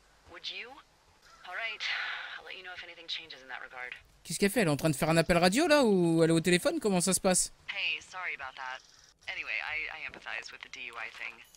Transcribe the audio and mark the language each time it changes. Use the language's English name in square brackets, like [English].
[English] Would you? All right. I'll let you know if anything changes in that regard. [French] Qu'est-ce qu'elle fait? Elle est en train de faire un appel radio là ou elle est au téléphone? Comment ça se passe? [English] Hey, sorry about that. Anyway, I empathize with the DUI thing.